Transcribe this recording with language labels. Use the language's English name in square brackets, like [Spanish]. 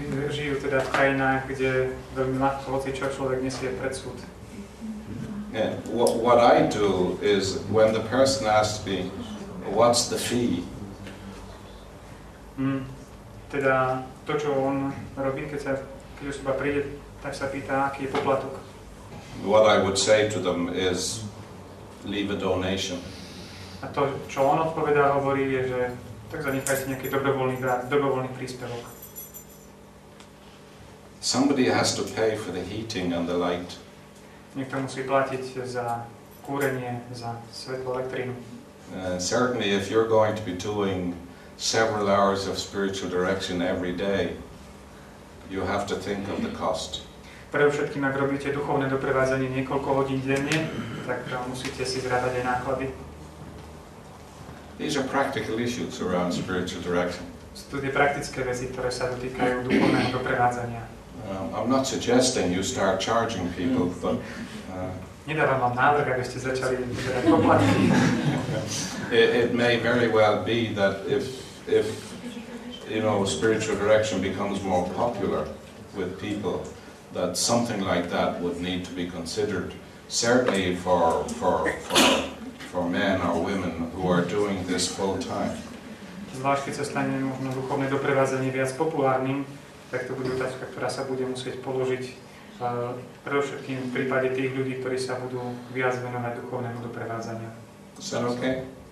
[Slovak] Žijú teda v krajinách, kde veľmi ľahko hoci čo človek nesie pred súd. [English] Yeah. What I do is, when the person asks me, what's the fee? [Slovak] Teda to, čo on robí, keď osoba príde, tak sa pýta, aký je poplatok. [English] What I would say to them is, leave a donation. [Slovak] A to, čo on odpovedá, hovorí, je, že tak zanechajte nejaký dobrovoľný príspevok. [English] Somebody has to pay for the heating and the light. [Slovak] Niekto musí platiť za kúrenie, za svetlo, elektrínu. [English] Certainly if you're going to be doing several hours of spiritual direction every day, you have to think of the cost. [Slovak] pre všetkým, ak robíte duchovné doprevádzanie niekoľko hodín denne, tak musíte si zrátať aj náklady. [English] These are practical issues around spiritual direction. [Slovak] Sú tie praktické veci, ktoré sa dotýkajú duchovného doprevádzania. [English] I'm not suggesting you start charging people, but... [Slovak] Nedávam vám návrh, aby ste začali vyberať poplatky. [English] It may very well be that if you know, spiritual direction becomes more popular with people, that something like that would need to be considered, certainly for men or women who are doing this full time. [Slovak] Zvlášť keď sa stane možno duchovné doprevádzanie viac populárnym, tak to bude otázka, ktorá sa bude musieť položiť predovšetkým v prípade tých ľudí, ktorí sa budú viac venovať duchovnému doprevádzaniu. [English] Is that okay?